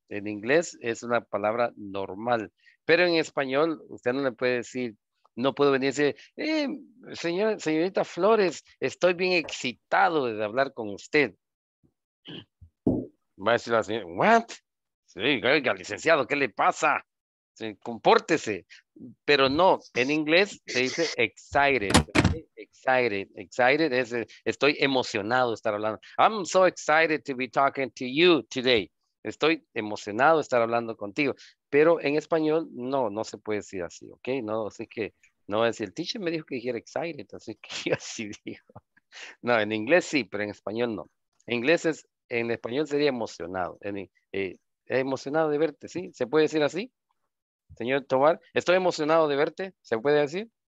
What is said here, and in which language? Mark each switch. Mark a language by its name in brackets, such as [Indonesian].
[Spanish] En inglés es una palabra normal, pero en español usted no le puede decir, no puedo venir y decir, señorita Flores, estoy bien excitado de hablar con usted. Va a decir la señora, ¿what? Sí, oiga, licenciado, ¿qué le pasa? Sí, compórtese. Pero no, en inglés se dice excited. Excited, excited es, estoy emocionado de estar hablando. [English] I'm so excited to be talking to you today. [Spanish] Estoy emocionado de estar hablando contigo. Pero en español, no, no se puede decir así, ¿ok? No, así que, no es decir, el teacher me dijo que dijera excited, así que yo así digo. No, en inglés sí, pero en español no. En inglés es, en español sería emocionado. Emocionado de verte, ¿sí? ¿Se puede decir así? Señor Tobar, estoy emocionado de verte, ¿se puede decir?